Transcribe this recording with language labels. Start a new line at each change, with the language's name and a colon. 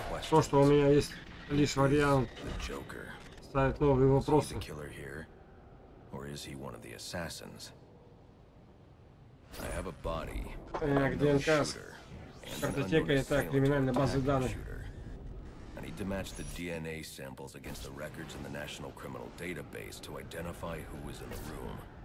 Russian: То, что у меня есть лишь вариант, ставит новые вопросы.
English: Killer here, or is he one of the assassins? I have a body.
Russian: Так, ДНК, картотека, это криминальная база данных.
English: I need to match the DNA samples against the records in the National Criminal Database to identify who was in the room.